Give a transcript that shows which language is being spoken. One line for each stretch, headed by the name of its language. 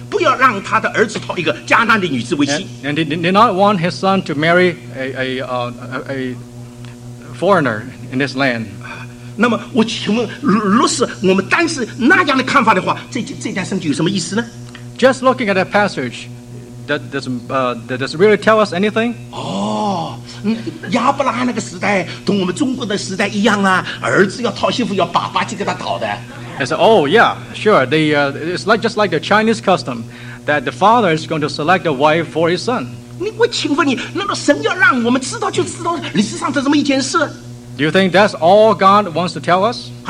English: And he did not want his son to marry a foreigner in this land.
Chinese: 那么我请问,如果是我们当时那样的看法的话, 这段圣经有什么意思呢?
English: Just looking at that passage, does it really tell us anything?
Chinese: Oh, 亚伯拉罕那个时代,跟我们中国的时代一样啊,儿子要讨媳妇,要爸爸去给他讨的。
English: I said, oh yeah, sure, it's like just like the Chinese custom, that the father is going to select a wife for his son.
Chinese: 我请问你,那么神要让我们知道就知道,历史上的这么一件事。
English: Do you think that's all God wants to tell us?